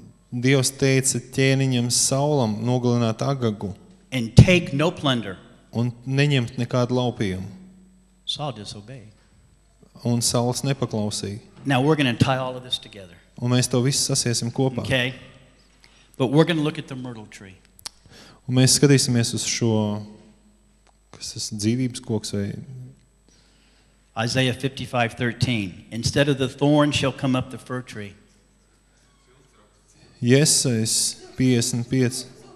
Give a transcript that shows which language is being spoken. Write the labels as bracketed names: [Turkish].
[Latvian] Dievs teica ķēniņam Saulam nogalināt Agagu. [English] And take no plunder. [Latvian] Un neņemt nekādu laupījumu. [English] Saul disobeyed. [Latvian] Un Sauls nepaklausīja. [English] Now we're going to tie all of this together. [Latvian] Un mēs to visu sasiesim kopā. [English] Okay. But we're going to look at the myrtle tree. [Latvian] Un mēs skatīsimies uz šo, kas tas dzīvības koks vai... [English] Isaiah 55:13. Instead of the thorn shall come up the fir tree. [Latvian] Jesajas 55.